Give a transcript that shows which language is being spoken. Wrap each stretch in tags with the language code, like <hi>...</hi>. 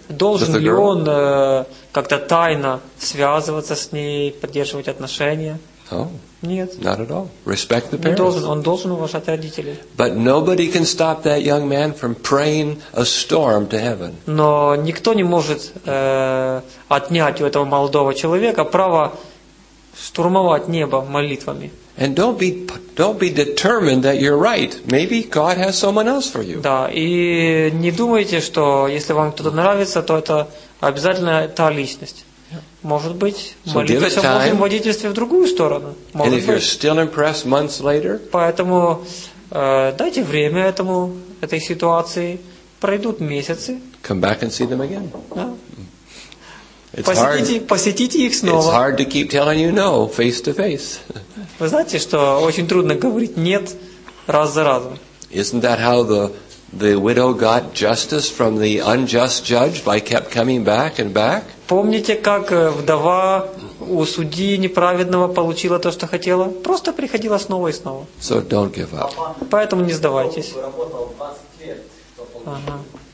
<ru>Должен ли он как-то тайно связываться с ней, поддерживать отношения?</ru> <en>No,</en> <ru>нет.</ru> <en>Not at all. Respect the parents.</en> <ru>Он должен уважать родителей.</ru> <en>But nobody can stop that young man from praying a storm to heaven.</en> <ru>Но никто не может отнять у этого молодого человека право штурмовать небо молитвами.</ru> <en>And don't be determined that you're right. Maybe God has someone else for you.</en> <ru>Да, и не думайте, что если вам кто-то нравится, то это обязательно та личность. Может быть, молитесь о Божьем водительстве в другую сторону. Может быть.</ru> <en>And if you're still impressed months later,</en> <ru>поэтому дайте время этой ситуации, пройдут месяцы.</ru> <en>Come back and see them again.</en> <ru>Да. Посетите их снова.</ru> <en>It's hard to keep telling you no face to face.</en> <ru>Вы знаете, что очень трудно говорить нет раз за разом.</ru> <en>Isn't that how the widow got justice from the unjust judge by kept coming back and back?</en> <ru>Помните, как вдова у судьи неправедного получила то, что хотела? Просто приходила снова и снова.</ru> <en>So don't give up.</en> <ru>Поэтому не сдавайтесь. Работал 20 лет, чтобы получить.</ru>